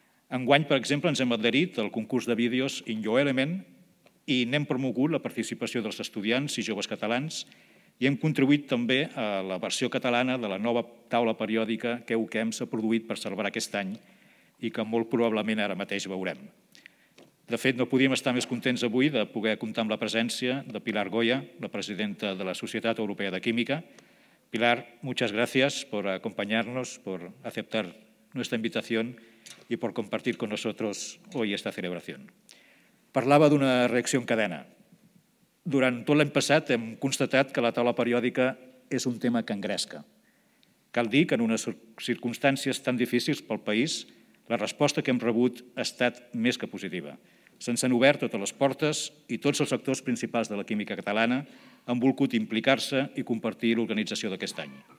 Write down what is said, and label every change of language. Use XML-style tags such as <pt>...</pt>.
<ca>Enguany, per exemple, ens hem adherit al concurs de vídeos In Your Element i n'hem promogut la participació dels estudiants i joves catalans i hem contribuït també a la versió catalana de la nova taula periòdica que EUCEMS ha produït per celebrar aquest any i que molt probablement ara mateix veurem. De fet, no podíem estar més contents avui de poder comptar amb la presència de Pilar Goya, la presidenta de la Societat Europea de Química.</ca> <es>Pilar, muchas gracias por acompañarnos, por aceptar nuestra invitación y por compartir con nosotros hoy esta celebración.</es> <ca>Parlava d'una reacció en cadena. Durant tot l'any passat hem constatat que la taula periòdica és un tema que engresca. Cal dir que en unes circumstàncies tan difícils pel país, la resposta que hem rebut ha estat més que positiva. Se'ns han obert totes les portes i tots els actors principals de la química catalana han volgut implicar-se i compartir l'organització d'aquest any.</ca>